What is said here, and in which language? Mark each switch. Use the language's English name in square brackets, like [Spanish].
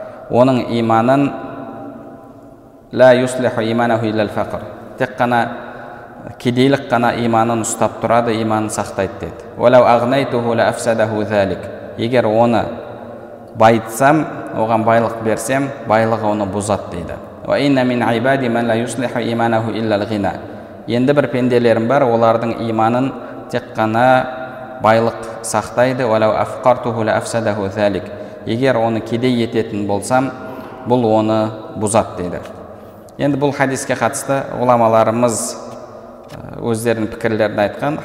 [Arabic] Оның иманын ла юслиху иманаху илля аль-фақр". [Kazakh] Тек қана кедейлік қана иманын ұстап тұрады, иманын сақтайды деді. [Arabic] "Валау агнайтуху ла афсадаху залик". [Kazakh] Егер оны байытсам, оған байлық берсем, байлығы оны бұзады дейді. [Arabic] "Ва инна мин ибади ман ла юслиху иманаху илля аль-гина". [Kazakh] Енді бір пенделерім бар, олардың иманын тек қана байлық сақтайды. [Arabic] "Валау афқартуху ла афсадаху залик". [Kazakh] Егер оны кедей ететін болсам, бұл оны бұзады дейді. Енді бұл хадиске қатысты ғұламаларымыз өздерінің пікірлерін айтқан.